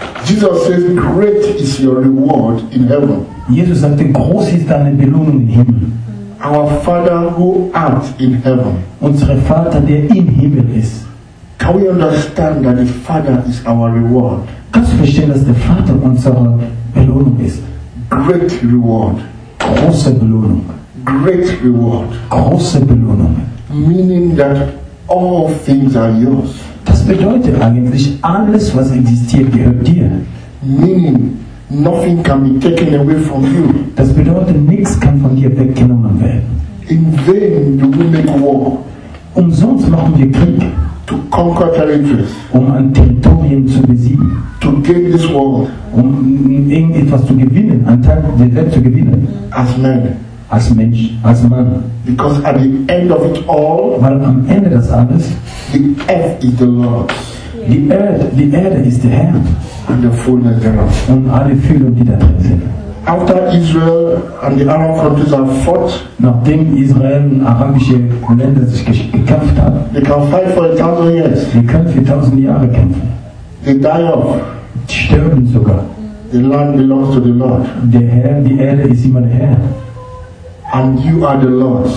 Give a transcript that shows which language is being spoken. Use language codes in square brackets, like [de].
[en] Jesus says, great is your reward in heaven. [de] Jesus sagte, groß ist deine Belohnung im Himmel. [en] Our Father who art in heaven. [de] Unser Vater, der im Himmel ist. [en] Can we understand that the Father is our reward? [de] Kannst du verstehen, dass der Vater unsere Belohnung ist? [en] Great reward. [de] Große Belohnung. [en] Great reward. [de] Große Belohnung. [en] Meaning that all things are yours. [de] Das bedeutet eigentlich, alles, was existiert, gehört dir. [en] Meaning, nothing can be taken away from you. [de] Das bedeutet, nichts kann von dir weggenommen werden. [en] In vain do we make war. [de] Umsonst machen wir Krieg. [en] To conquer territories. [de] Um ein Territorium zu besiegen. [en] To gain this world. [de] Um irgendetwas zu gewinnen, einen Teil der Welt zu gewinnen. [en] As men. [de] Als Mensch, als Mann. [en] Because at the end of it all, [de] weil am Ende des alles, [en] the earth is the Lord's. [de] Die Erde ist der Herr. [en] And the fullness thereof. [de] Und alle Fülle, die da drin sind. [en] After Israel and the Arab countries have fought, [de] nachdem Israel und arabische Länder sich gekämpft haben, [en] they can fight for 1,000 years. [de] Sie können für 1,000 Jahre kämpfen. [en] They die off. [de] Die sterben sogar. [en] The land belongs to the Lord. [de] Der Herr, die Erde ist immer der Herr. [en] And you are the Lord.